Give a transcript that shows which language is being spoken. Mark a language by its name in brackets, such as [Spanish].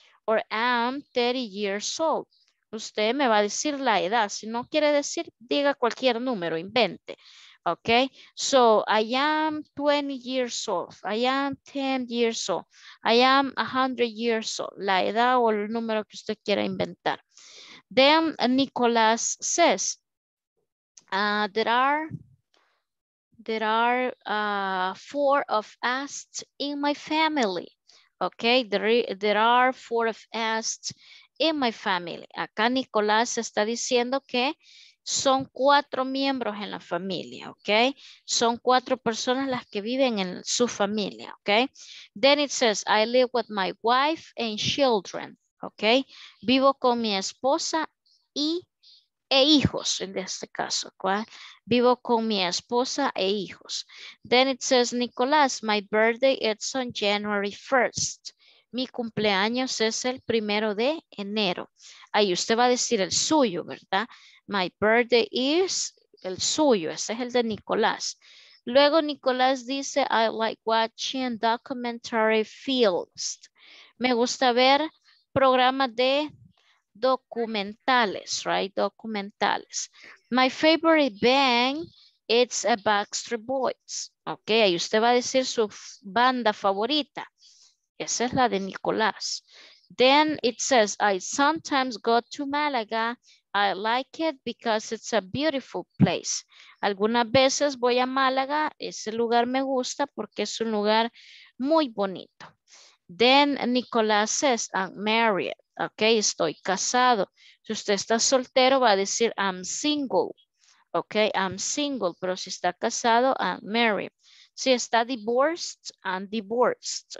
[English] or am 30 years old. [Spanish] Usted me va a decir la edad. Si no quiere decir, diga cualquier número, invente. Ok, [English] so I am 20 years old. I am 10 years old. I am 100 years old. [Spanish] La edad o el número que usted quiera inventar. [English] Then Nicolás says, there are four of us in my family. Okay, there are four of us in my family. [Spanish] Acá Nicolás está diciendo que son cuatro miembros en la familia, okay? Son cuatro personas las que viven en su familia, okay? [English] Then it says, I live with my wife and children, okay? [Spanish] Vivo con mi esposa y, e hijos, en este caso, ¿cuál? Vivo con mi esposa e hijos. [English] Then it says, Nicolás, my birthday is on January 1st. [Spanish] Mi cumpleaños es el primero de enero. Ahí usted va a decir el suyo, ¿verdad? [English] My birthday is [Spanish] el suyo. Ese es el de Nicolás. Luego Nicolás dice, [English] I like watching documentary films. [Spanish] Me gusta ver programas de documentales, right? Documentales. [English] My favorite band, it's a Backstreet Boys. [Spanish] Ok, ahí usted va a decir su banda favorita. Esa es la de Nicolás. [English] Then it says, I sometimes go to Malaga. I like it because it's a beautiful place. [Spanish] Algunas veces voy a Málaga. Ese lugar me gusta porque es un lugar muy bonito. [English] Then Nicolás says, I'm married. Ok, [Spanish] estoy casado. Si usted está soltero, va a decir, [English] I'm single. Ok, I'm single. [Spanish] Pero si está casado, [English] I'm married. [Spanish] Si está divorced, [English] I'm divorced.